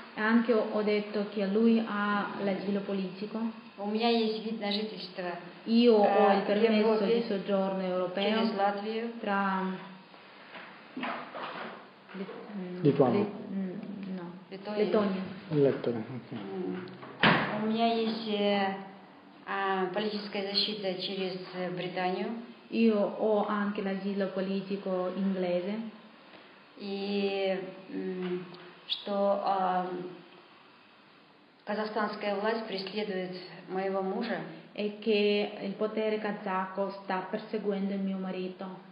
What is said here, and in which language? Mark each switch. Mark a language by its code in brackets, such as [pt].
[it] Anche ho detto che lui ha l'asilo politico. [ru] У меня есть вид на жительство. [it] Io ho il permesso di soggiorno europeo. [ru] Через Латвию. [it] Tra Lettonia. [ru] У меня есть политическая защита через Британию. [it] Io ho anche l'asilo politico inglese. [ru] И что казахстанская власть преследует моего мужа? [it] E che il potere kazako sta perseguendo il mio marito.